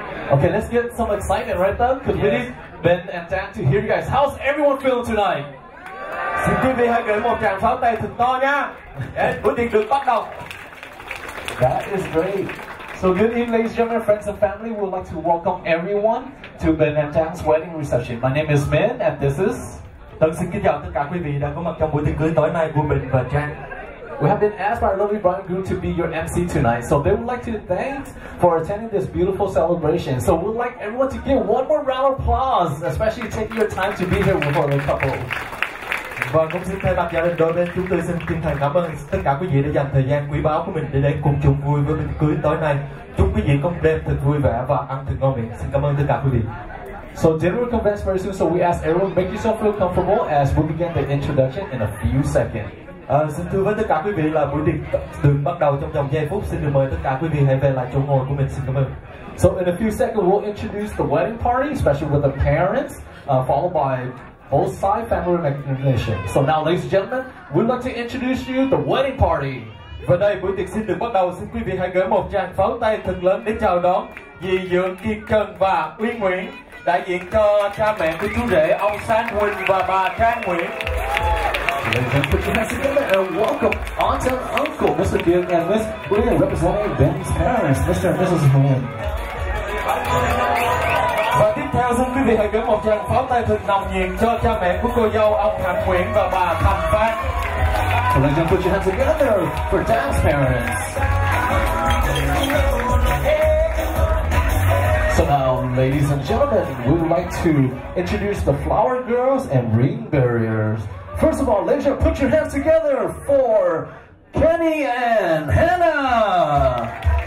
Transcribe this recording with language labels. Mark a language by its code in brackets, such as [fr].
[en] Okay, let's get some excitement right now, because we need Ben and Dan to hear you guys. How's everyone feeling tonight? [vi] Xin quý vị hãy gửi một tràng pháo tay thật to nha. Buổi tiệc được bắt đầu. [en] That is great. So good evening, ladies and gentlemen, friends and family. We would like to welcome everyone to Ben and Dan's wedding reception. My name is Ben, and this is... [vi] Tân xin kính chào tất cả quý vị đã có mặt trong buổi tiệc cưới tối nay của Ben và Dan. [en] We have been asked by our lovely bride and groom to be your MC tonight. So they would like to thank for attending this beautiful celebration. So we'd like everyone to give one more round of applause, especially taking your time to be here with our couple. [vi] Và cũng xin thay mặt gia đình đôi bên, chúng tôi xin chân thành cảm ơn tất cả quý vị đã dành thời gian quý báu của mình để đến cùng chung vui với mình cưới tối nay. Chúc quý vị có một đêm thật vui vẻ và ăn thật ngon miệng. Xin cảm ơn tất cả quý vị. [en] So dinner will commence very soon, so we ask everyone to make yourself feel comfortable as we begin the introduction in a few seconds. [vi] Xin thưa với tất cả quý vị là buổi tiệc đường bắt đầu trong vòng giây phút. Xin được mời tất cả quý vị hãy về lại chỗ ngồi của mình. Xin cảm ơn. [en] So in a few seconds we'll introduce the wedding party, especially with the parents, followed by both side family recognition. So now, ladies and gentlemen, we'd like to introduce you the wedding party. [vi] Và đây buổi tiệc xin được bắt đầu. Xin quý vị hãy gửi một tràng pháo tay thật lớn để chào đón dì Dượng, Kiên Trần và Uy Nguyễn, đại diện cho cha mẹ của chú rể ông Sang Huỳnh và bà Trang Nguyễn. [en] Welcome aunt and uncle, Mr. Dương and Miss Nguyễn, representing Ben's parents, Mr. and Mrs. Nguyễn. [vi] Và tiếp theo xin quý vị hãy gửi một tràng pháo tay thật nồng nhiệt cho cha mẹ của cô dâu ông Thành Nguyễn và bà Thành Phan. [en] So let's put your hands together for Dan's parents. So now, ladies and gentlemen, we would like to introduce the flower girls and ring bearers. First of all, ladies and gentlemen, put your hands together for Kenny and Hannah.